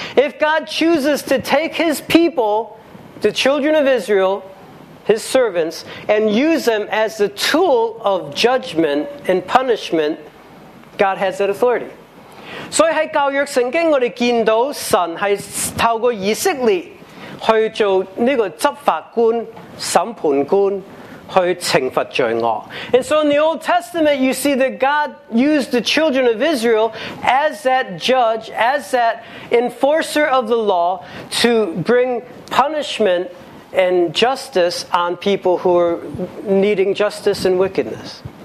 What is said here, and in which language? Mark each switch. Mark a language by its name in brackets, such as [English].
[English] If God chooses to take His people, the children of Israel, His servants, and use them as the tool of judgment and punishment, God has that authority. [Cantonese] 所以喺旧约圣经，我哋见到神系透过以色列去做呢个执法官、审判官去惩罚罪恶。 [English] And so in the Old Testament, you see that God used the children of Israel as that judge, as that enforcer of the law to bring punishment and justice on people who are needing justice and wickedness.